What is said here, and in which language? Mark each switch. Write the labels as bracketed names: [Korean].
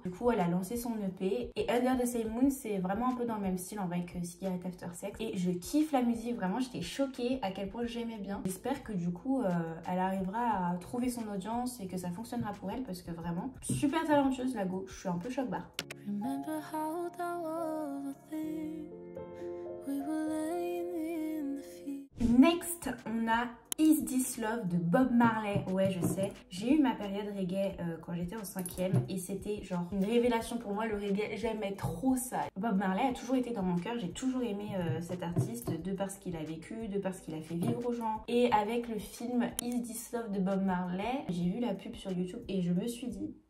[French] Du coup, elle a lancé son EP et Under the Same Moon, c'est vraiment un peu dans le même style en vrai que Cigarette After Sex. Et je kiffe la musique, vraiment, j'étais choquée à quel point j'aimais bien. J'espère que du coup, elle arrivera à trouver son audience et que ça fonctionnera pour elle parce que vraiment, super talentueuse la go, je suis un peu choc barre. [English] Remember how that was a thing, we were laying in the field. [French] Next, on a Is This Love de Bob Marley. Ouais, je sais. J'ai eu ma période reggae quand j'étais en 5e et c'était genre une révélation pour moi. Le reggae, j'aimais trop ça. Bob Marley a toujours été dans mon cœur. J'ai toujours aimé cet artiste de par ce qu'il a vécu, de par ce qu'il a fait vivre aux gens. Et avec le film Is This Love de Bob Marley, j'ai vu la pub sur YouTube et je me suis dit...